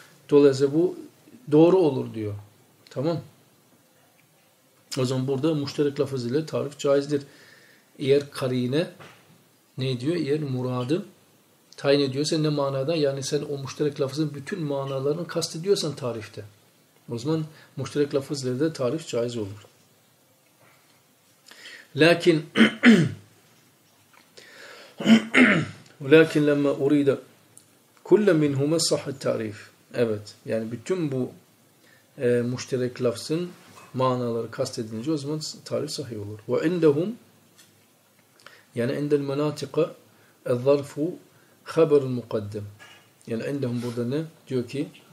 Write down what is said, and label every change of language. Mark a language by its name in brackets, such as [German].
[Turkish] Dolayısıyla bu doğru olur diyor. Tamam. O zaman burada müşterek lafız ile tarif caizdir. Eğer karine ne diyor? Eğer muradı tayin ediyorsa ne manada? Yani sen o müşterek lafızın bütün manalarını kastediyorsan tarifte. O zaman müşterek lafız ile de tarif caiz olur. [Arabic] Lakin ولكن لما اريد كل منهما صح التعريف. [Turkish] Evet, yani bütün bu müşterek lafzın manaları kastedince o zaman tarif sahih olur. Ve indehum, yani indel menatika zarfu haber mukaddem. Yani indehum burada ne diyor ki?